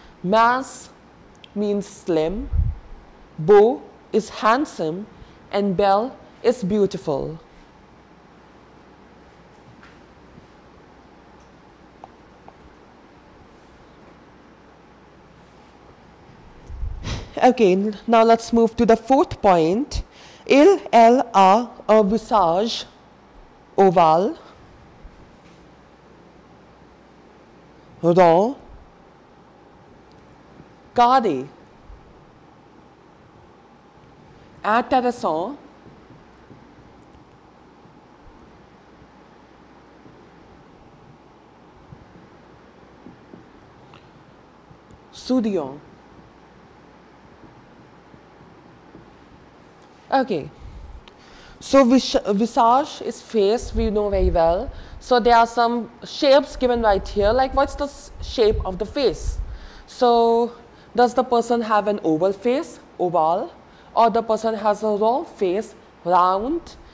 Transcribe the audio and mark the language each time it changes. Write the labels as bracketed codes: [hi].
[en] Mass means slim, beau is handsome, and belle is beautiful. Okay, now let's move to the fourth point. [fr] Il, elle a un visage ovale, rond, carré, intéressant, souriant. [en] Okay, so visage is face, we know very well. So there are some shapes given right here, like what's the shape of the face? So does the person have an oval face, oval, or the person has a round face, round?